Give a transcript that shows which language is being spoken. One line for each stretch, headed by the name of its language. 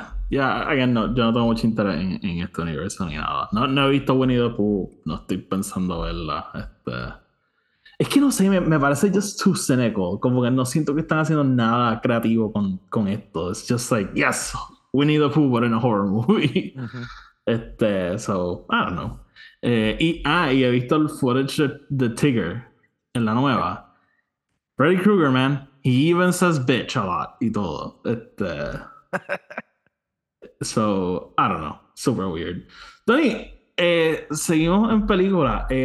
English: Yeah, again,
Spanish: no, yo no tengo mucho interés en este universo ni nada. No, no he visto Winnie the Pooh. No estoy pensando verla. Es que no sé, me parece
English: just too cynical.
Spanish: Como que no siento que están haciendo nada creativo con esto.
English: It's just like, yes, Winnie the Pooh, but in a horror movie. Uh-huh. So, I don't know.
Spanish: Y he visto el footage de Tigger en la nueva.
English: Freddy Krueger, man. He even says bitch a lot
Spanish: y todo.
English: So, I don't know. Super weird.
Spanish: Tony, seguimos en película.